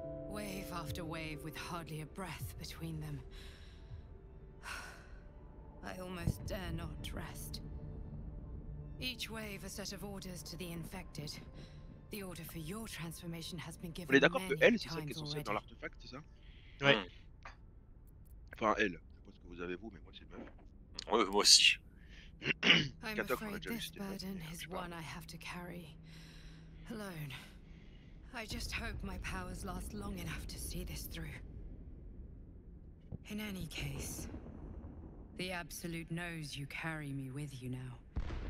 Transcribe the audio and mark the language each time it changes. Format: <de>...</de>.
<en>Wave after wave with hardly a breath between them. I almost dare not rest. Each wave a set of orders to the infected. The order for your transformation has been given.</en> <fr>On est d'accord que elle, c'est ça qui est censée être dans l'artefact, c'est ça? Ouais. Enfin, elle. Je sais pas ce que vous avez, vous, mais moi, c'est le meuf. Ouais, moi aussi.</fr> <en>I'm afraid this burden is one I have to carry alone. I just hope my powers last long enough to see this through. In any case, the Absolute knows you carry me with you now.</en>